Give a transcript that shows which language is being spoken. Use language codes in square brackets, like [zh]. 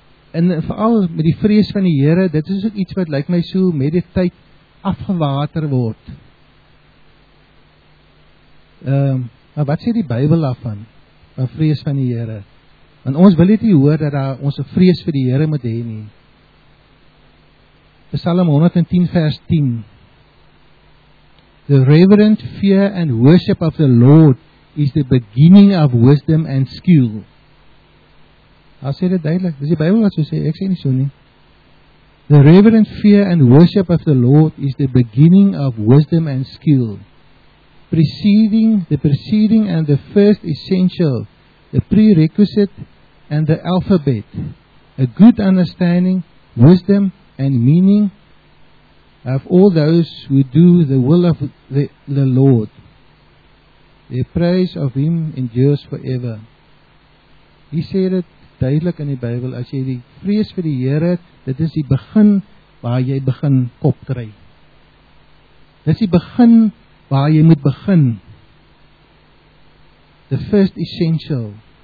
[af] En vooral met die vrees van die Here, dit is ook iets wat lyk my so met die tyd afgewater word. Maar wat sê die Bybel daarvan? Van vrees van die Here. Want ons wil dit nie hoor dat daar ons 'n vrees vir die Here moet hê nie. Psalm 110 vers 10. [en] The reverent fear and worship of the Lord is the beginning of wisdom and skill. [af] Hy sê dit duidelik. Dis die Bybel wat so sê. Ek sê nie so nie. [en] The reverent fear and worship of the Lord is the beginning of wisdom and skill. The preceding and the first essential, the prerequisite and the alphabet, a good understanding, wisdom and meaning of all those who do the will of the Lord. The praise of Him endures forever. [af] He sê dit duidelik in die Bybel, as jy die vrees vir die Here, dit is die begin waar jy begin kop kry. Dit is die begin waar jy moet begin. [en] The first essential.